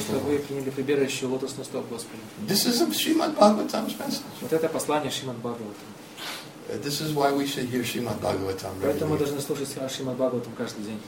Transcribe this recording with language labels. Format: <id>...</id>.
<ru>Потому что вы приняли прибежище у лотосных стоп Господа.</ru> <en>This is Srimad Bhagavatam's message.</en> <ru>Вот это послание Шримад Бхагаватам.</ru> <en>This is why we should hear Srimad Bhagavatam regularly.</en> <ru>Поэтому мы должны слушать Шримад Бхагаватам каждый день.</ru>